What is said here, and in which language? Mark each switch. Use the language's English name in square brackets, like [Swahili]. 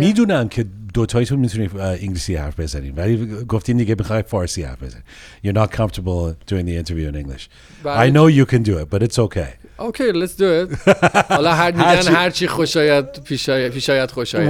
[Persian] میدونم که دوتایتون میتونی انگلیسی حرف بزنیم. ولی گفتین دیگه بخوای فارسی حرف بزنیم. [English] You're not comfortable doing the interview in English. I know you can do it, but it's okay. Okay, let's do it. [Persian] حالا هر میگن هر چی خوشایند پیشایند خوشایند.